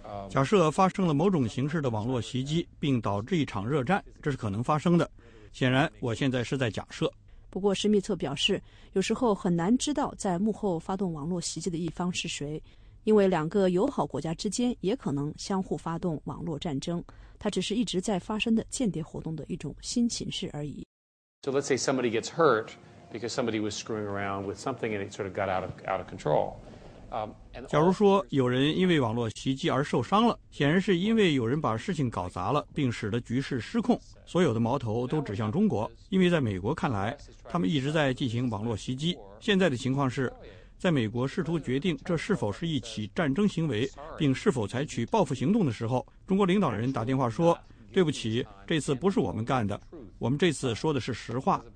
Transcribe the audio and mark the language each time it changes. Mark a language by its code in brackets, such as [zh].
[zh] 假设发生了某种形式的网络袭击并导致一场热战，这是可能发生的，显然我现在是在假设。不过施密特表示，有时候很难知道在幕后发动网络袭击的一方是谁，因为两个友好国家之间也可能相互发动网络战争，它只是一直在发生的间谍活动的一种新形式而已。 [en] So let's say somebody gets hurt because somebody was screwing around with something and it sort of got out of control. [zh] 假如说有人因为网络袭击而受伤了，显然是因为有人把事情搞砸了，并使得局势失控。所有的矛头都指向中国，因为在美国看来，他们一直在进行网络袭击。现在的情况是，在美国试图决定这是否是一起战争行为，并是否采取报复行动的时候，中国领导人打电话说，对不起，这次不是我们干的，我们这次说的是实话。